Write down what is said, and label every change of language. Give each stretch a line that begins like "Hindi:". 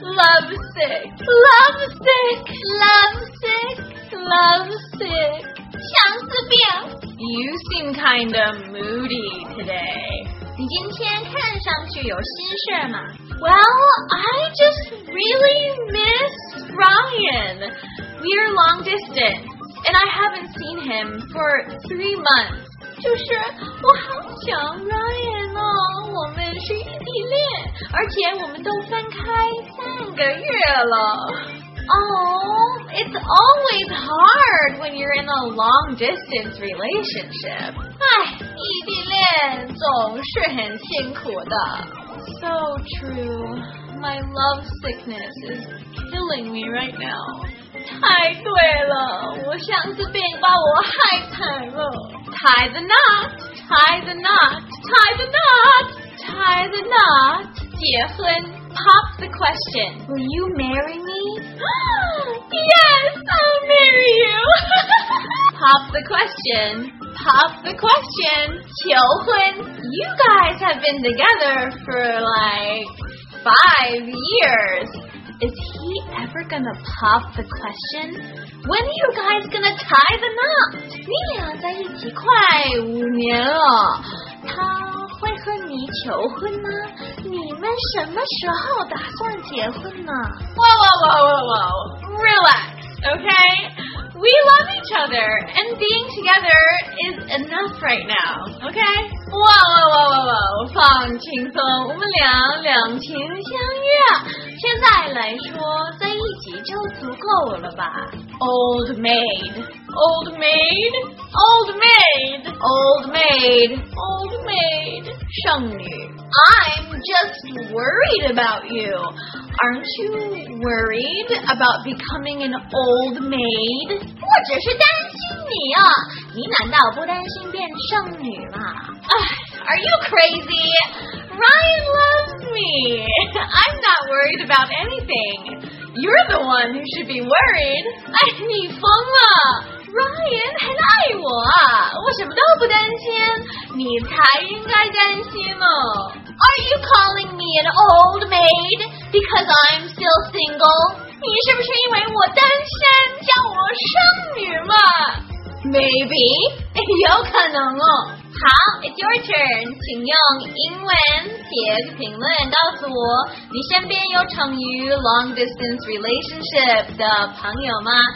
English: Lovesick. Lovesick. Lovesick. Lovesick.
Chinese: 相思病。
English: You seem kind of moody today.
Chinese: 你今天看上去有心事吗？
English: Well, I just really miss Ryan. We're long distance, and I haven't seen him for 3 months.
Chinese: 就是我好想 Ryan 哦，我们是异地恋，而且我们都分开三个月了。
English: Oh, it's always hard when you're in a long distance relationship.
Chinese: 哎，异地恋总是很辛苦的。
English: So true. My love sickness is killing me right now.
Chinese: 太对了，我相思病把我害惨了。
English: Tie the knot, tie the knot, tie the knot, tie the knot.
Chinese: 结婚
English: pop the question. Will you marry me? Yes, I'll marry you. Pop the question. Pop the question.
Chinese: 求婚.
English: You guys have been together for like 5 years. Is he ever gonna pop the question? When are you guys gonna tie the knot?
Chinese: 你俩在一起快5年了，他会和你求婚吗？你们什么时候打算结婚呢？
English: Whoa, whoa, whoa, whoa, whoa. Relax, okay? We love each other, and being together is enough right now, okay? Whoa, whoa, whoa, whoa, whoa,
Chinese: 放轻松，我们俩两情相悦，现在来说在一起就足够了吧。
English: Old maid, old maid, old maid, old maid, old maid,
Chinese: 剩女。
English: I'm just worried about you. Aren't you worried about becoming an old maid?
Chinese: 我只是担心你啊，你难道不担心变剩女吗？
English: Are you crazy? Ryan loves me. I'm not worried about anything. You're the one who should be worried.
Chinese: 哎，你疯了。 Ryan 很爱我啊，我什么都不担心，你才应该担心哦。
English: Are you calling me an old maid because I'm still single?
Chinese: 你是不是因为我单身叫我剩女嘛？
English: Maybe,
Chinese: 有可能哦。好，
English: it's your turn,
Chinese: 请用英文写个评论告诉我，你身边有成于
English: long distance relationship
Chinese: 的朋友吗？